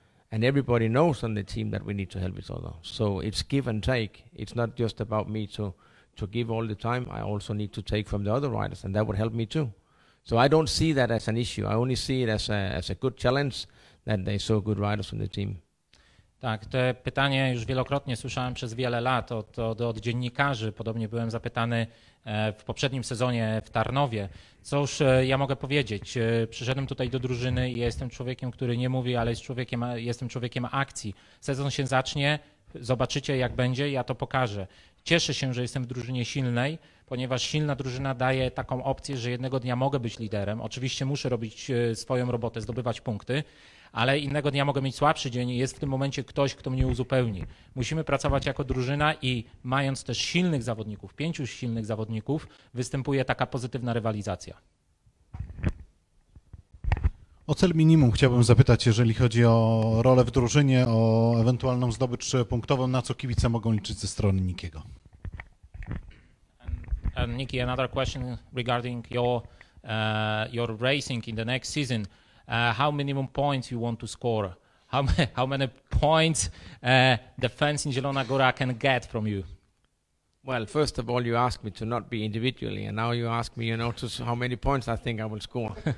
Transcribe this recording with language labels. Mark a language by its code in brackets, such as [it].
[en] And everybody knows on the team that we need to help each other. So it's give and take. It's not just about me to give all the time. I also need to take from the other riders, and that would help me too. So I don't see that as an issue. I only see it as a good challenge that they saw good riders on the team. [pl] Tak, to pytanie już wielokrotnie słyszałem przez wiele lat od dziennikarzy. Podobnie byłem zapytany w poprzednim sezonie w Tarnowie. Cóż ja mogę powiedzieć? Przyszedłem tutaj do drużyny i jestem człowiekiem, który nie mówi, ale jestem człowiekiem akcji. Sezon się zacznie, zobaczycie jak będzie, ja to pokażę. Cieszę się, że jestem w drużynie silnej, ponieważ silna drużyna daje taką opcję, że jednego dnia mogę być liderem. Oczywiście muszę robić swoją robotę, zdobywać punkty, ale innego dnia mogę mieć słabszy dzień i jest w tym momencie ktoś, kto mnie uzupełni. Musimy pracować jako drużyna i mając też silnych zawodników, pięciu silnych zawodników, występuje taka pozytywna rywalizacja. O cel minimum chciałbym zapytać, jeżeli chodzi o rolę w drużynie, o ewentualną zdobycz punktową, na co kibice mogą liczyć ze strony Nickiego. [en] And Nicky, another question regarding your racing in the next season. How minimum points you want to score? How many points the fans in Zielona Góra can get from you? Well, first of all, you asked me to not be individually, and now you ask me, you know, to how many points I think I will score.